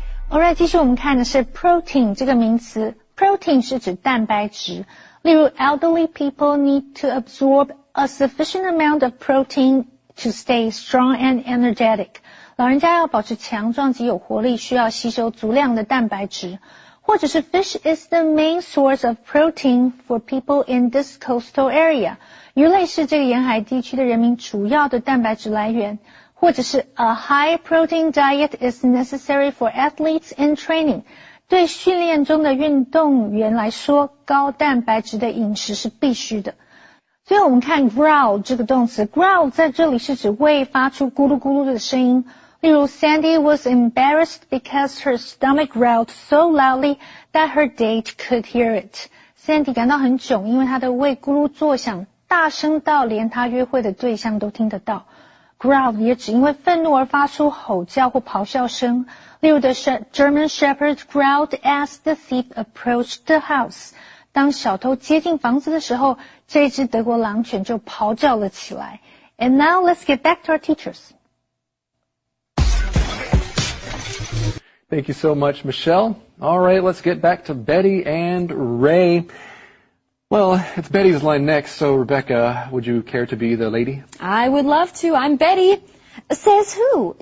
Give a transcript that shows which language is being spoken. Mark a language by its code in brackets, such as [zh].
[zh] Alright, 继续我们看的是 protein 这个名词。protein 是指蛋白质。例如 [en] elderly people need to absorb a sufficient amount of protein to stay strong and energetic. [zh] 老人家要保持强壮及有活力需要吸收足量的蛋白质。或者是 [en] fish is the main source of protein for people in this coastal area. [zh] 鱼类是这个沿海地区的人民主要的蛋白质来源。或者是 [en] a high protein diet is necessary for athletes in training. [zh] 对训练中的运动员来说，高蛋白质的饮食是必须的。最后我们看 growl 这个动词。growl 在这里是指胃发出咕噜咕噜的声音。例如 [en] Sandy was embarrassed because her stomach growled so loudly that her date could hear it. [zh] Sandy 感到很窘，因为她的胃咕噜作响，大声到连她约会的对象都听得到。 Growl 也只因为愤怒而发出吼叫或咆哮声。例如 [en] the German Shepherd growled as the thief approached the house. [zh] 当小偷接近房子的时候，这只德国狼犬就咆叫了起来。 [en] And now let's get back to our teachers. Thank you so much, Michelle. All right, let's get back to Betty and Ray. Well, it's Betty's line next, so Rebecca, would you care to be the lady? I would love to. I'm Betty. Says who?